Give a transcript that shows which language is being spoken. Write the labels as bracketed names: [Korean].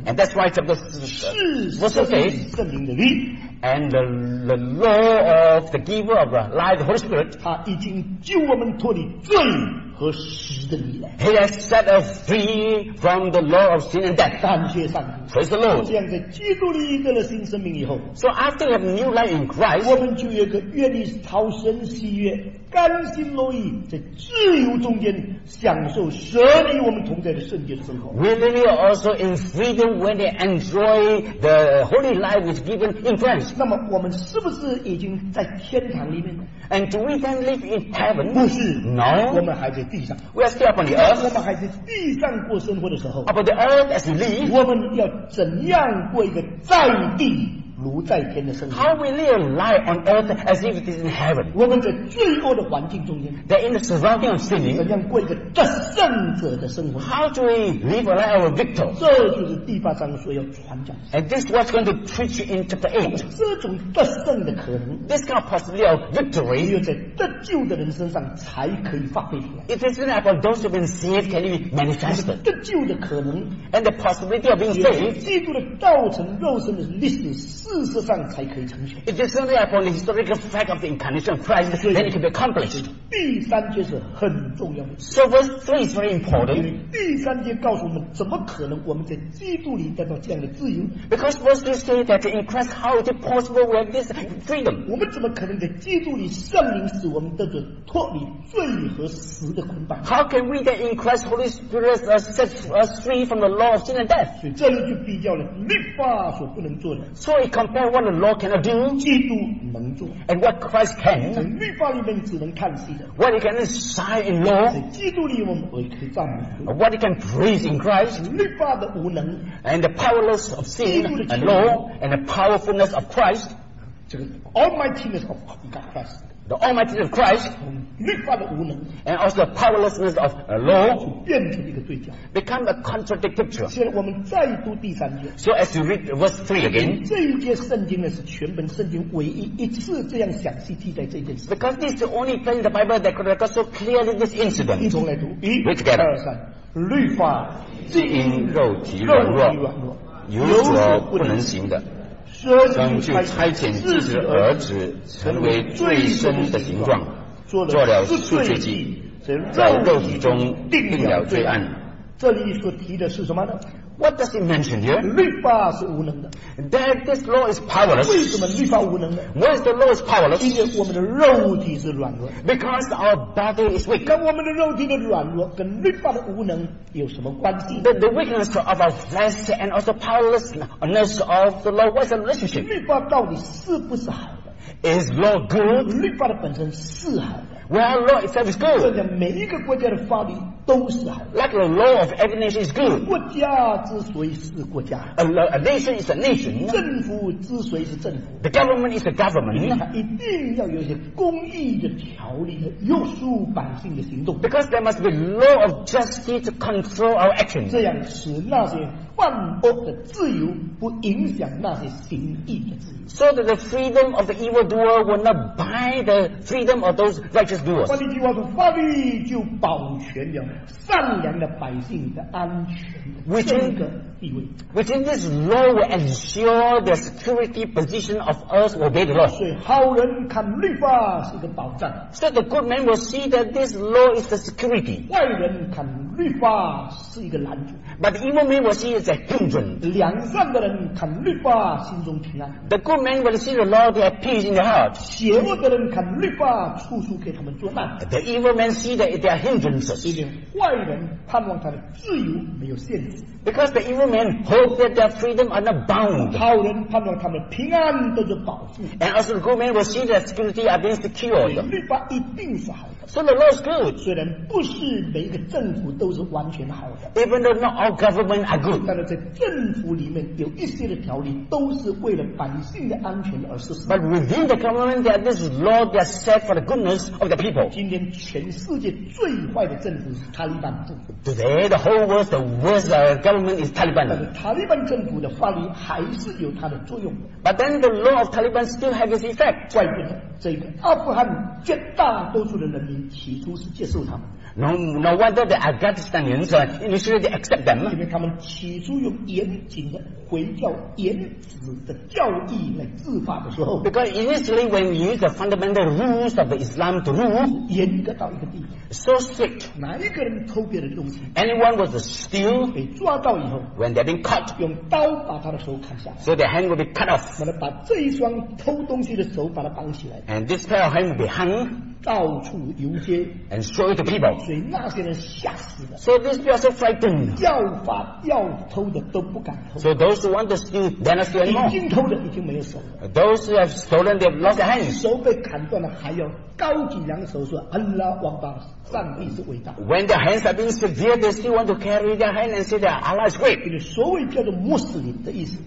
[English] and that's why chapter [Chinese] 是圣灵, [English] and the law of the giver of life, the Holy Spirit, [Chinese] 他已经救我们脱离罪和死的力量。 [English] He has set us free from the law of sin and death. [Chinese] 感谢上帝。 [English] Praise the Lord. [Chinese] 这样在基督里得了新生命以后 [English] ，So after we have new life in Christ， [Chinese] 我们就有个愿意讨神喜悦、甘心乐意在自由中间享受神与我们同在的圣洁生活。 [English] Willingly also in freedom when they enjoy the holy life which is given in Christ。 [Chinese] 那么我们是不是已经在天堂里面 [English] ？And do we then live in heaven？ [Chinese] 不是 [English] ，No。 [Chinese] 我们还在地上。 [English] We are still upon the earth。 [Chinese] 我们还在地上过生活的时候 [English] ，Upon the earth as we live， [Chinese] 我们要怎样过一个在地？如在天的生活。 [English] How we live life on earth as if it is in heaven. [Chinese] 我们在罪恶的环境中间。 [English] That in the surrounding of sin. [Chinese] 怎样过一个得胜者的生活 [English] ？How do we live a life of a victor? [Chinese] 这就是第八章所要传讲。 [English] And this is what's going to preach in chapter 8. [Chinese] 这种得胜的可能 [English] ，This kind of possibility of victory， [Chinese] 只有在得救的人身上才可以发挥出来。 [English] It is not about those who have been saved can be manifested. [Chinese] 得救的可能 [English] ，And the possibility of being saved， [Chinese] 基督的道成肉身的历史。事实上才可以成全。 [English] It is only upon the historical fact of the incarnation of Christ that it can be accomplished. [Chinese] 第三节是很重要的。 [English] So verse 3 is very important. [Chinese] 第三节告诉我们，怎么可能我们在基督里得到这样的自由 [English] ？Because verse 3 says that in Christ, how is it possible we have this freedom? [Chinese] 我们怎么可能在基督里圣灵使我们得着脱离罪和死的捆绑 [English] ？How can we that in Christ Holy Spirit set us free from the law of sin and death? [Chinese] 所以这里就比较了律法所不能做的。 [English] So compare what the law cannot do [Chinese] 基督能做 [English] and what Christ can [Chinese] 在律法里面只能看戏的 [English] what he can sigh in law [Chinese] 在基督里我们可以赞美 [English] what he can praise in Christ [Chinese] 律法的无能 [English] and the powerless of sin and law and the powerfulness of Christ [Chinese] 这个 [English] almightiness of Christ the almightiness of Christ [Chinese] 律法的无能 [English] and also the powerlessness of law [Chinese] 变成一个对角 [English] become a contradictory picture [Chinese] 现在我们再读第三节 [English] so as you read verse 3 again [Chinese] 这一节圣经呢是全本圣经唯一一次这样详细记载这件事 [English] because this is the only place in the Bible that could record so clearly this incident [Chinese] 一同来读一 [English] read together [Chinese] 律法既因肉体软弱有所不能行的神就差遣自己的儿子成为最深的形状做了赎罪祭在肉体中定了罪案这里所提的是什么呢 [English] What does he mention here? [Chinese] 律法是无能的 [English] That this law is powerless [Chinese] 为什么律法无能的 [English] Why is the law is powerless? [Chinese] 因为我们的肉体是软弱 [English] Because our body is weak [Chinese] 跟我们的肉体的软弱跟律法的无能有什么关系 [English] the weakness of our flesh and also powerlessness of the law What is the relationship? [Chinese] 律法到底是不是好的 [English] Is law good? [Chinese] 律法的本身是好的 [English] Well, law itself is good. [Chinese] 这样每一个国家的法律都是好。 [English] Like the law of every nation is good. [Chinese] 国家之所以是国家。 [English] A nation is a nation. [Chinese] 政府之所以是政府。 [English] The government is a government. [Chinese] 它一定要有一些公义的条例和约束百姓的行动。 [English] Because there must be law of justice to control our actions. [Chinese] 这样使那些犯恶的自由不影响那些行义的自由。 [English] So that the freedom of the evildoer will not bind the freedom of those righteous. Just do us. [Chinese] 法律就保全了善良的百姓的安全这个地位 [English] which in this law will ensure the security position of us obey the law [Chinese] 所以好人看律法是个保障 [English] so the good man will see that this law is the security [Chinese] 坏人看律法是一个拦阻 [English] but the evil man will see it's a hindrance [Chinese] 良善的人看律法心中平安 [English] the good man will see the law they have peace in their heart [Chinese] 邪恶的人看律法处处给他们作难 [English] the evil man see that they are hindrances [Chinese] 因为坏人盼望他的自由没有限制 [English] because the evil men hope that their freedom are not bound [Chinese] 好人盼望他们平安得着保护 [English] and also the good man will see that security are being secured [Chinese] 律法一定是好的 [English] so the law is good [Chinese] 虽然不是每一个政府都是完全好的 [English] even though not all government are good [Chinese] 但是在政府里面有一些的条例都是为了百姓的安全而实施 [English] but within the government there are this law that is set for the goodness of the people [Chinese] 今天全世界最坏的政府是塔利班政府 [English] today the whole world the worst government is Taliban [Chinese] 但是塔利班政府的法律还是有它的作用 [English] but then the law of Taliban still has its effect [Chinese] 怪不得这个阿富汗绝大多数的人民起初是接受他们。 [English] No wonder the Afghanistanians initially they accept them. [Chinese] 因为他们起初用严谨的回教原始的教义来治法的时候 [English] ，because initially when we use the fundamental rules of the Islam to rule, [Chinese] 严格到一个地 [English] ，so strict. [Chinese] 哪一个人偷别人的东西 [English] ？Anyone was steal. [Chinese] 被抓到以后 [English] ，when they've been caught, [Chinese] 用刀把他的手砍下 [English] ，so their hand will be cut off. [Chinese] 完了，把这一双偷东西的手把它绑起来 [English] ，and this pair of hands will be hung. [Chinese] 到处游街 [English] ，and show it to people， [Chinese] 所以那些人吓死了。 [English] So these people are so frightened， [Chinese] 要法要偷的都不敢偷。 [English] So those who want to steal, they are not steal anymore。 [Chinese] 已经偷的已经没有手了。 [English] Those who have stolen, they have lost their hands。 [Chinese] 手被砍断了，还要高举两手说安拉王巴，上帝是伟大。 [English] When their hands have been severed, they still want to carry their hand and say that Allah is great。 [Chinese] 因为所谓叫做穆斯林的意思